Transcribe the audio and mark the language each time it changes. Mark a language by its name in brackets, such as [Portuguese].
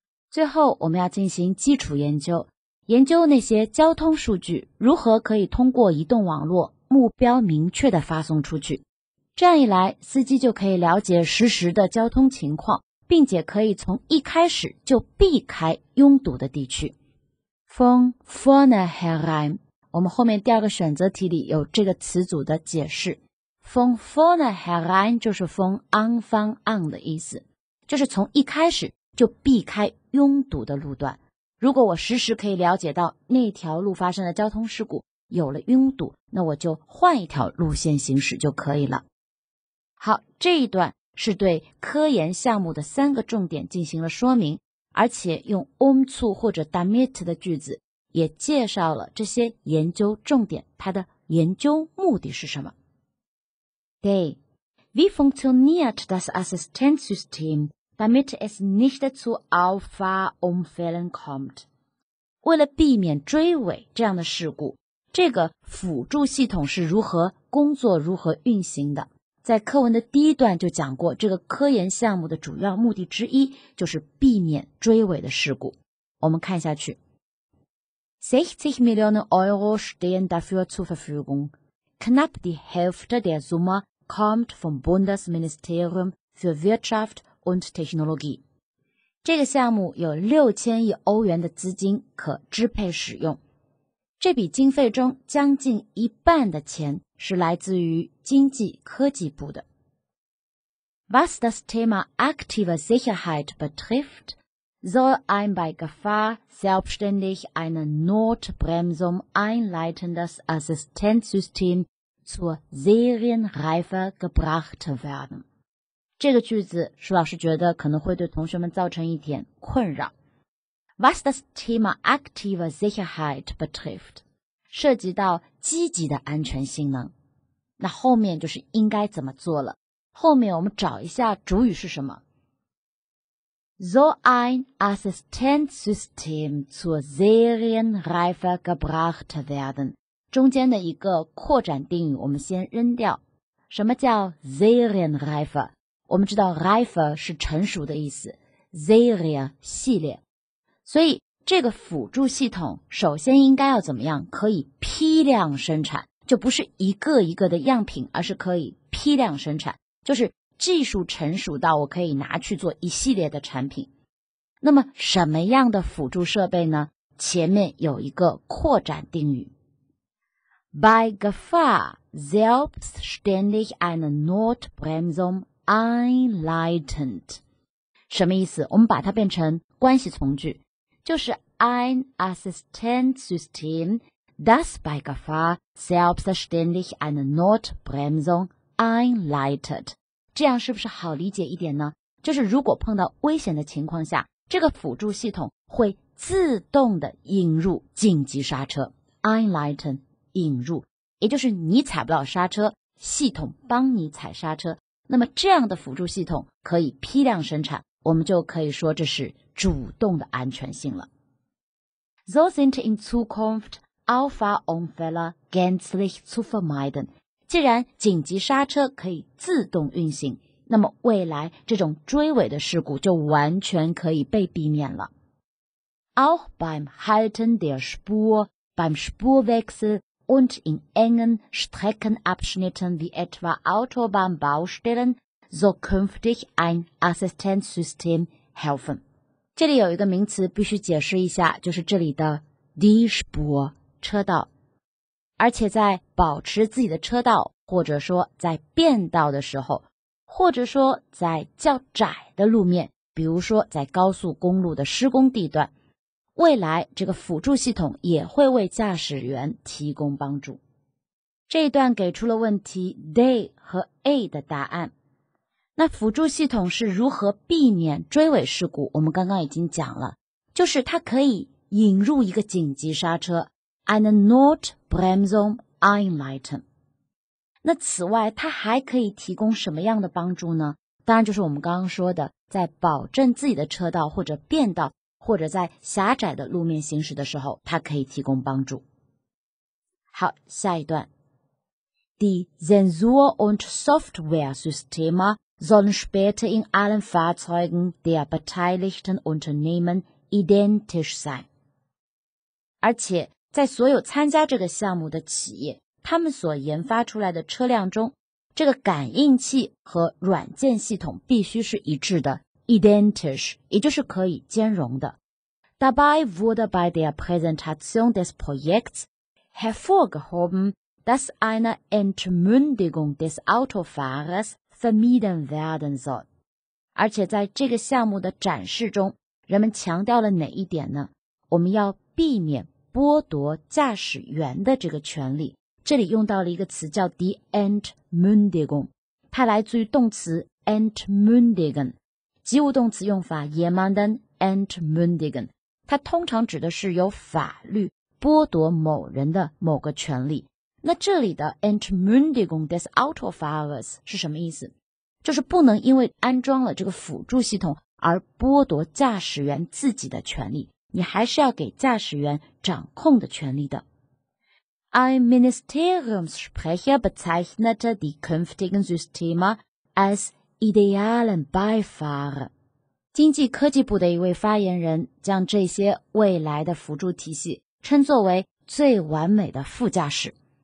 [Chinese] 最后我们要进行基础研究，研究那些交通数据如何可以通过移动网络目标明确地发送出去，这样一来司机就可以了解实时的交通情况，并且可以从一开始就避开拥堵的地区。 [German] Von vornherein， [Chinese] 我们后面第二个选择题里有这个词组的解释。 [German] Von vornherein [Chinese] 就是 [German] von Anfang an [Chinese] 的意思，就是从一开始就避开拥堵的路段。如果我实时可以了解到那条路发生了交通事故，有了拥堵，那我就换一条路线行驶就可以了。好，这一段是对科研项目的三个重点进行了说明，而且用 umzu 或者 damit 的句子也介绍了这些研究重点，它的研究目的是什么。 [German] Day, wie funktioniert das Assistenzsystem, damit es nicht zu Auffahrunfällen kommt? [Chinese] 为了避免追尾这样的事故，这个辅助系统是如何工作、如何运行的？在课文的第一段就讲过，这个科研项目的主要目的之一就是避免追尾的事故。我们看下去。 [German] 60 Millionen Euro stehen dafür zur Verfügung. Knapp die Hälfte der Summe kommt vom Bundesministerium für Wirtschaft und Technologie. [Chinese] 这个项目有6000亿欧元的资金可支配使用。这笔经费中将近一半的钱是来自于经济科技部的。 [German] Was das Thema aktive Sicherheit betrifft, soll ein bei Gefahr selbstständig eine Notbremsung einleitendes Assistenzsystem zur Serienreife gebracht werden. [Chinese] 这个句子舒老师觉得可能会对同学们造成一点困扰。 [German] Was das Thema aktive Sicherheit betrifft, [Chinese] 涉及到积极的安全性能。那后面就是应该怎么做了。后面我们找一下主语是什么。 [German] So ein Assistenzsystem zur Serienreife gebracht werden. [Chinese] 中间的一个扩展定语我们先扔掉。什么叫 Serienreife? 我们知道 Reife 是成熟的意思。 Serie, 系列。所以这个辅助系统首先应该要怎么样，可以批量生产，就不是一个一个的样品，而是可以批量生产，就是技术成熟到我可以拿去做一系列的产品。那么什么样的辅助设备呢？前面有一个扩展定语。 [German] Bei Gefahr selbstständig eine Notbremsung einleitend。 [Chinese] 什么意思？我们把它变成关系从句，就是 [German] ein Assistenzsystem, das bei Gefahr selbstständig eine Notbremsung einleitet。 [Chinese] 这样是不是好理解一点呢？就是如果碰到危险的情况下，这个辅助系统会自动的引入紧急刹车。 Einleiten, 引入，也就是你踩不到刹车，系统帮你踩刹车。那么这样的辅助系统可以批量生产，我们就可以说这是主动的安全性了。 [German] So sind in Zukunft Auffahrunfälle gänzlich zu vermeiden。 [Chinese] 既然紧急刹车可以自动运行，那么未来这种追尾的事故就完全可以被避免了。 [German] Auch beim Halten der Spur, beim Spurwechsel und in engen Streckenabschnitten wie etwa Autobahnbaustellen soll künftig ein Assistenzsystem helfen. [Chinese] 这里有一个名词必须解释一下，就是这里的 die Spur, 车道。而且在保持自己的车道或者说在变道的时候，或者说在较窄的路面，比如说在高速公路的施工地段，未来这个辅助系统也会为驾驶员提供帮助。这一段给出了问题 they 和 a 的答案。那辅助系统是如何避免追尾事故？我们刚刚已经讲了，就是它可以引入一个紧急刹车 [German] eine Notbremsung einleiten。 [Chinese] 那此外它还可以提供什么样的帮助呢？当然就是我们刚刚说的，在保证自己的车道或者变道或者在狭窄的路面行驶的时候，它可以提供帮助。好，下一段。 [German] Die Sensor- und Software-Systeme sollen später in allen Fahrzeugen der beteiligten Unternehmen identisch sein. [Chinese] 而且在所有参加这个项目的企业，他们所研发出来的车辆中，这个感应器和软件系统必须是一致的 ,identisch, 也就是可以兼容的。 [German] Dabei wurde bei der Präsentation des Projekts hervorgehoben, dass eine Entmündigung des Autofahrers vermieden werden soll. [Chinese] 而且在这个项目的展示中，人们强调了哪一点呢？我们要避免剥夺驾驶员的这个权利。这里用到了一个词叫 die Entmündigung， 它来自于动词 Entmündigen， 及物动词用法 [German] jemanden Entmündigen， [Chinese] 它通常指的是由法律剥夺某人的某个权利。那这里的 [German] Entmündigung des Autofahrers [Chinese] 是什么意思？就是不能因为安装了这个辅助系统而剥夺驾驶员自己的权利，你还是要给驾驶员掌控的权利的。 [German] Ein Ministeriumssprecher bezeichnete die künftigen Systeme als idealen Beifahrer. [Chinese] 经济科技部的一位发言人将这些未来的辅助体系称作为最完美的副驾驶。